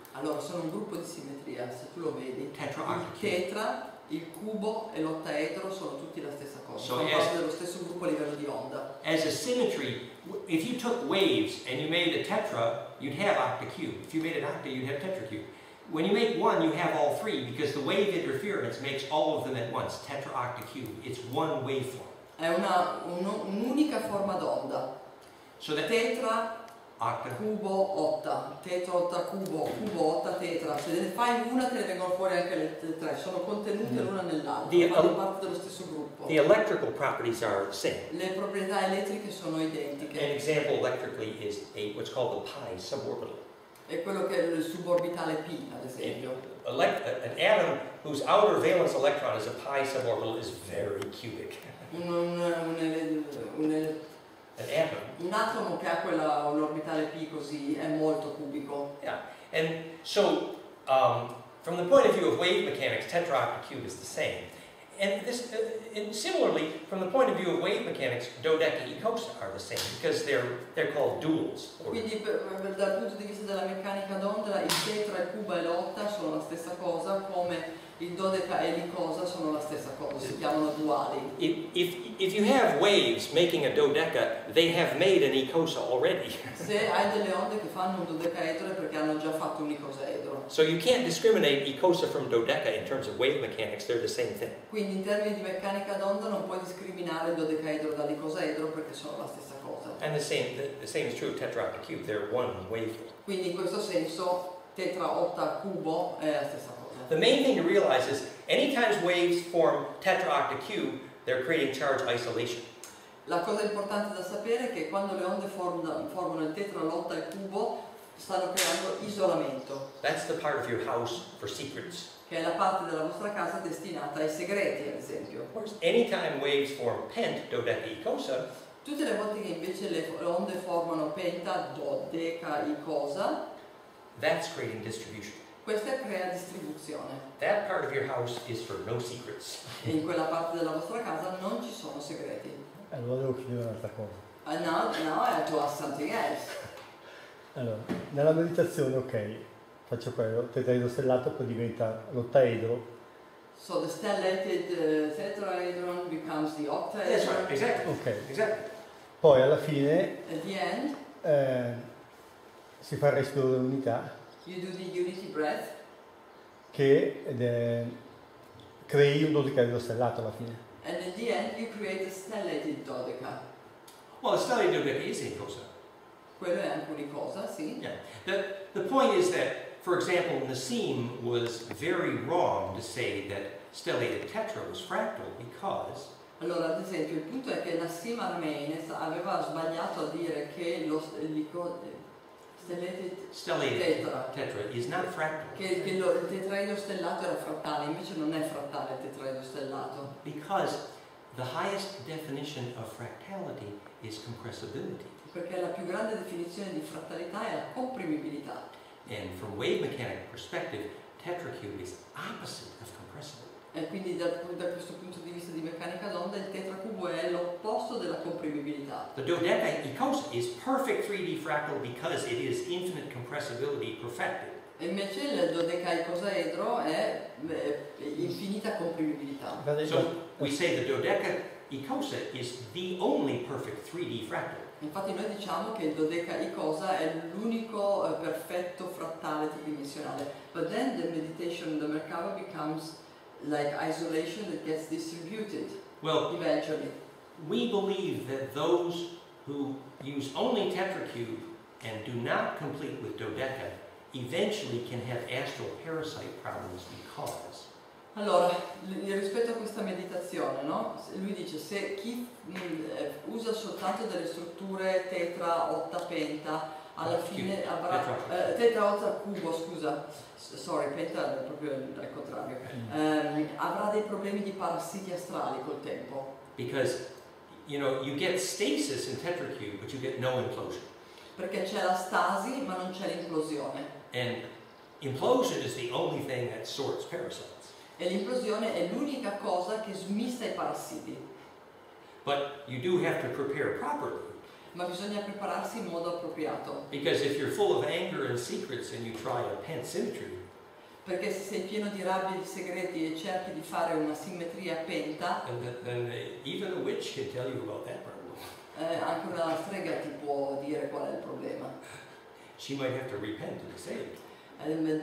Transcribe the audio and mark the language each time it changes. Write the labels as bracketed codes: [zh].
[it] Allora, sono un gruppo di simmetria, se tu lo vedi. Tetra octa cube. Il tetra, il cubo e l'ottaedro sono tutti la stessa cosa. Sono parte dello stesso gruppo a livello di onda. [en] As a symmetry, if you took waves and you made a tetra, you'd have octa cube. If you made an octa, you'd have tetra cube. When you make one, you have all three, because the wave interference makes all of them at once, tetra octa cube. It's one waveform. [it] È un'unica forma d'onda. [en] So that tetra, octa, [it] cubo, otta. Tetra, otta, cubo, otta, tetra. Se ne fai una, te ne vengono fuori anche le tre. Sono contenute l'una nell'altra, fanno parte dello stesso gruppo. [en] The electrical properties are the same. [it] Le proprietà elettriche sono identiche. [en] An example electrically is what's called the pi suborbital. [it] È quello che è il suborbitale pi, ad esempio. [en] An atom whose outer valence electron is a pi suborbital is very cubic. [it] Un atomo che ha quella un orbitale pi così è molto cubico. [en] Yeah. And so from the point of view of wave mechanics, tetraocta cube is the same. And this and similarly, from the point of view of wave mechanics, dodecaecosa are the same because they're called duals. [it] Quindi dal punto di vista della meccanica d'onda, il tetra, il cubo e l'otta sono la stessa cosa, come il dodeca e l'icosa sono la stessa cosa, si chiamano duali. [en] If you have waves making a dodeca, they have made an icosa already. [it] Se hai delle onde che fanno un dodecaedro è perché hanno già fatto un icosaedro. [en] So you can't discriminate icosa from dodeca in terms of wave mechanics, they're the same thing. [it] Quindi in termini di meccanica d'onda non puoi discriminare il dodecaedro dall'icosaedro perché sono la stessa cosa. [en] And the same is true of tetraocta cube, they're one waveform. [it] Quindi in questo senso tetra, otta, cubo è la stessa cosa. [en] The main thing to realize is anytime waves form tetraocta cube, they're creating charge isolation. [it] La cosa importante da sapere è che quando le onde formano il tetra, l'otta e il cubo, stanno creando isolamento. [en] That's the part of your house for secrets. [it] Che è la parte della vostra casa destinata ai segreti, ad esempio. [en] Of course, anytime waves form pent dodecaecosa. [it] Tutte le volte che invece le onde formano penta dodecaecosa. [en] That's creating distribution. [it] Questa crea distribuzione. [en] That part of your house is for no secrets. [it] E in quella parte della vostra casa non ci sono segreti. Allora devo chiedere un'altra cosa. [en] No, I have to ask something else. [it] Allora, nella meditazione, ok, faccio quello, tetraedro stellato poi diventa l'ottaedro. [en] So the stellated tetrahedron becomes the octahedron. That's right, exactly. Okay. Exactly. [it] Poi alla fine. [en] At the end. [it] Si fa il respiro dell'unità. [en] You do the unity breath. [it] Che crei un dodecaedro stellato alla fine. [en] And at the end you create a stellated dodeca. Well, a stellated dodeca is icosa. [it] Quello è anche un'icosa, sì. [en] Yeah. The point is that, for example, Nassim was very wrong to say that stellated tetra was fractal because. [it] Allora, ad esempio, il punto è che Nassim Armain aveva sbagliato a dire che lo stellated. [en] Stellated tetra is not fractal. [it] Che lo, il tetraedro stellato era frattale, invece non è frattale il tetraedro stellato. [en] Because the highest definition of fractality is compressibility. [it] Perché la più grande definizione di frattalità è la comprimibilità. [en] And from wave mechanical perspective, tetracube is opposite of compressibility. [it] E quindi da questo punto di vista di meccanica d'onda il tetracubo è l'opposto della comprimibilità. [en] The dodecaecosa is perfect 3D fractal because it is infinite compressibility perfected. [it] E invece il dodecaecosaedro è infinita comprimibilità. [en] So we say the dodecaecosa is the only perfect 3D fractal. [it] Infatti noi diciamo che il dodecaecosa è l'unico perfetto frattale tridimensionale. [en] But then the meditation, the Merkava becomes like isolation that gets distributed. Well, eventually, we believe that those who use only tetracube and do not complete with dodeca eventually can have astral parasite problems because. [it] Allora, rispetto a questa meditazione, no? Lui dice se chi usa soltanto delle strutture tetra, otta, penta alla fine avrà tetraotra cubo, scusa, sorry, penta proprio al contrario, avrà dei problemi di parassiti astrali col tempo. [en] Because you know you get stasis in tetracube, but you get no implosion. [it] Perché c'è la stasi ma non c'è l'implosione. [en] And implosion is the only thing that sorts parasites. [it] E l'implosione è l'unica cosa che smista i parassiti. [en] But you do have to prepare properly. [it] Ma bisogna prepararsi in modo appropriato. [en] Because if you're full of anger and secrets and you try a pentasymmetry. [it] Perché se sei pieno di rabbia e di segreti e cerchi di fare una simmetria penta. [en] Then even a witch can tell you about that problem. [it] Anche una strega ti può dire qual è il problema. [en] She might have to repent and be saved.